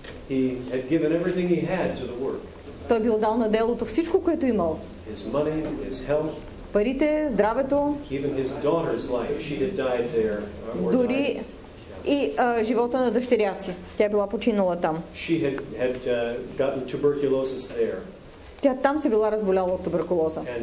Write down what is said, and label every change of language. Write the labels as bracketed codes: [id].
[en] He had given everything he had to the work. [bg] Той бил дал на делото всичко, което имал. [en] His money, his health. [bg] Парите, здравето. [en] Even his daughter's life. She had died there. [bg] Дори и живота на дъщеря си. Тя била починала там. [en] She had gotten tuberculosis there. [bg] Тя там се била разболяла от туберкулоза.